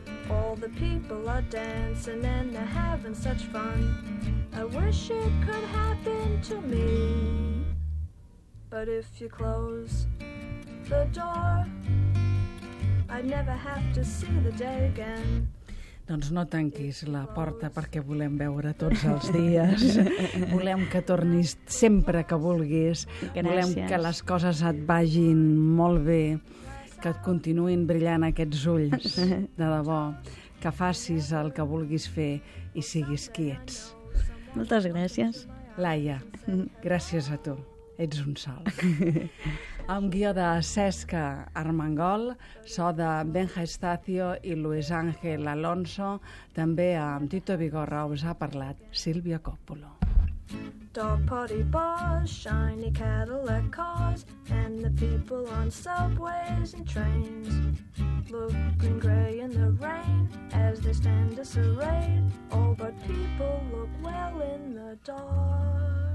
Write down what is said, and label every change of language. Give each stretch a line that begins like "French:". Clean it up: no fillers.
English: All the people are dancing and they're having such fun. I wish it could happen to me. But if you close the door, I'd never have to see the day again.
Catalan: Doncs no tanquis la porta perquè volem veure tots els dies. Volem que tornis sempre que vulguis. Gràcies. Volem que les coses et vagin molt bé, que et continuïn brillant aquests ulls, de debò, que facis el que vulguis fer i siguis qui ets. Moltes gràcies. Laia, gràcies a tu. Ets un salt. Amb guió de Cesc Armengol, so de Benja Estacio i Luis Ángel Alonso, també amb Tito Vigorra us ha parlat Silvia Coppolo.
English: Dog potty bars, shiny Cadillac cars, and the people on subways and trains. Looking grey in the rain, as they stand disarrayed, all but people look well in the dark.